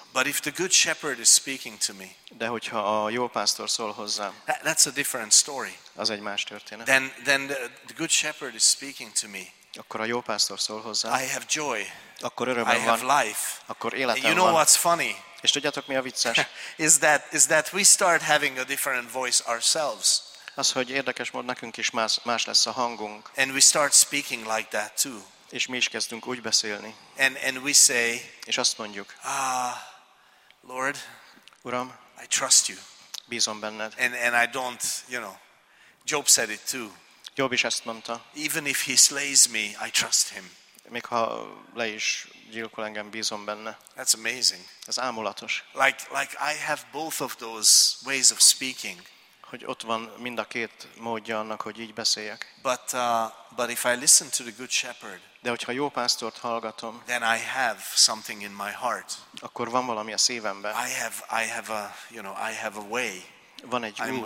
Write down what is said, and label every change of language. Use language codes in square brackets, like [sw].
[en] But if the good shepherd is speaking to me. [hu] De hogyha a jó pásztor szól hozzám. [en] That's a different story. [hu] Az egy más történet. [en] Then the good shepherd is speaking to me. [hu] Akkor a jó pásztor szól hozzá. [en] I have joy. [hu] Akkor örömöm van. [en] I have life. [hu] Akkor életem van. [en] You know what's funny? [hu] És tudjátok, mi a vicces? [en] is that we start having a different voice ourselves. [hu] Az, hogy érdekes mód, nekünk is más lesz a hangunk. [en] And we start speaking like that too. [hu] És mi is kezdünk úgy beszélni. [en] And we say, [hu] és azt mondjuk, [en] Lord, [hu] Uram, [en] I trust you. [hu] Bízom benned. [en] And I don't, you know, Job said it too. [hu] Job is ezt mondta. [en] Even if he slays me, I trust him. [hu] Még ha le is gyilkol engem, bízom benne. [en] That's amazing. [hu] Ez ámulatos. [en] Like I have both of those ways of speaking. [hu] Hogy ott van mind a két módja annak, hogy így beszéljek. [en] But if I listen to the good shepherd. [hu] De hogyha jó pásztort hallgatom. [en] Then I have something in my heart. [hu] Akkor van valami a szívemben. [en] I have a way. [hu] Van egy [en] I'm [hu] út,